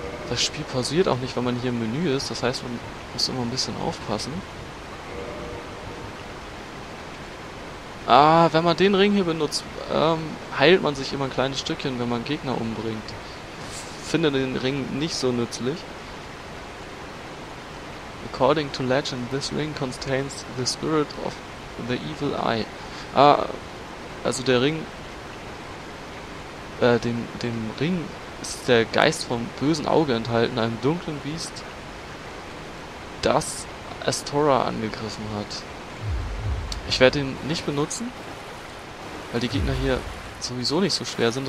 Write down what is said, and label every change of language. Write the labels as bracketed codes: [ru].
[de] Das Spiel pausiert auch nicht, wenn man hier im Menü ist. Das heißt, man muss immer ein bisschen aufpassen. Ah, wenn man den Ring hier benutzt, heilt man sich immer ein kleines Stückchen, wenn man Gegner umbringt. Finde den Ring nicht so nützlich. [en] According to legend, this ring contains the spirit of the evil eye. [de] Ah, also der Ring. Dem Ring ist der Geist vom bösen Auge enthalten, einem dunklen Biest, das Astora angegriffen hat. Ich werde ihn nicht benutzen, weil die Gegner hier sowieso nicht so schwer sind.